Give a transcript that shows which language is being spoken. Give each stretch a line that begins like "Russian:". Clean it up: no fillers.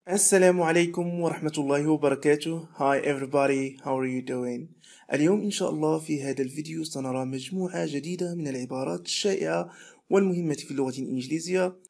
Arabic: السلام عليكم ورحمة الله وبركاته.
English: Hi everybody, how are you doing?
Arabic: اليوم إن شاء الله في هذا الفيديو سنرى مجموعة جديدة من العبارات الشائعة والمهمة في اللغة الإنجليزية.